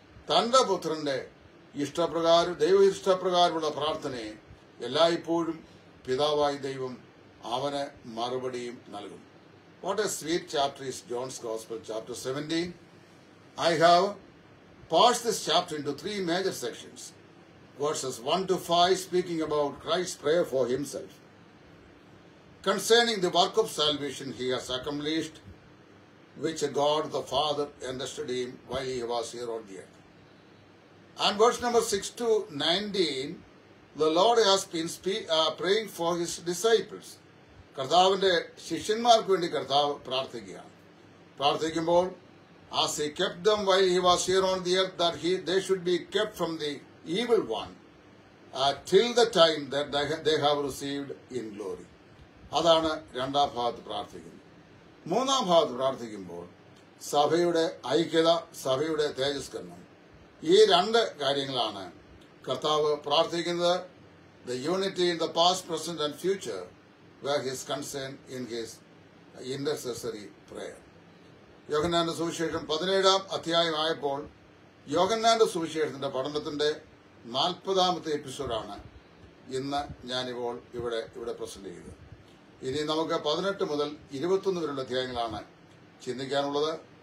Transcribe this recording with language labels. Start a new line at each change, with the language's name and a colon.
Malayalam: തന്റെ പുത്രന്റെ ഇഷ്ടപ്രകാരം ദൈവ ഇഷ്ടപ്രകാരമുള്ള പ്രാർത്ഥനയെ എല്ലായ്പ്പോഴും പിതാവായ ദൈവം അവന് മറുപടിയും നൽകും.
English: What a sweet chapter is John's gospel chapter 17. I have parts this chapter into 3 major sections. verses 1 to 5 speaking about Christ's prayer for himself. Concerning the work of salvation he has accomplished, which God the Father entrusted him while he was here on the earth. And verse number 6 to 19, the Lord has been praying for his disciples.
Malayalam: കർത്താവിന്റെ ശിഷ്യന്മാർക്ക് വേണ്ടി കർത്താവ് പ്രാർത്ഥിക്കുകയാണ്. പ്രാർത്ഥിക്കുമ്പോൾ
English: as he kept them while he was here on the earth, that they should be kept from the evil one till the time that they have received in glory.
Malayalam: അതാണ് രണ്ടാം ഭാഗത്ത് പ്രാർത്ഥിക്കുന്നത്. മൂന്നാം ഭാഗത്ത് പ്രാർത്ഥിക്കുമ്പോൾ സഭയുടെ ഐക്യത, സഭയുടെ തേജസ്കരണം, ഈ രണ്ട് കാര്യങ്ങളാണ് കർത്താവ് പ്രാർത്ഥിക്കുന്നത്.
English: The unity in the past, present and future were his concern in his intercessory prayer.
Malayalam: യോഹന്നാന്റെ സുവിശേഷം 17 അധ്യായം ആയപ്പോൾ യോഹന്നാന്റെ സുവിശേഷത്തിന്റെ പഠനത്തിന്റെ 40 എപ്പിസോഡാണ് ഇന്ന് ഞാനിപ്പോൾ ഇവിടെ പ്രസന്റ് ചെയ്തത്. ഇനി നമുക്ക് 18 മുതൽ 21 വരെയുള്ള അധ്യായങ്ങളാണ് ചിന്തിക്കാനുള്ളത്.